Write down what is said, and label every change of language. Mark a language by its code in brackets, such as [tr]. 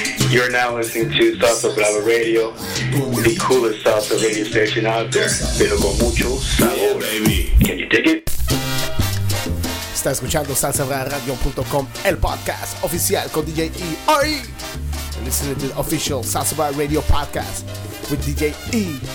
[en] You're now listening to Salsa Brava Radio, the coolest salsa radio station out there. [es] Pero con mucho sabor. [en] Yeah, baby. Can you dig it? [es] Está escuchando SalsaBravaRadio.com, el podcast oficial con DJ E. ¡Ay! [en] Listening to the official Salsa Brava Radio podcast with DJ E.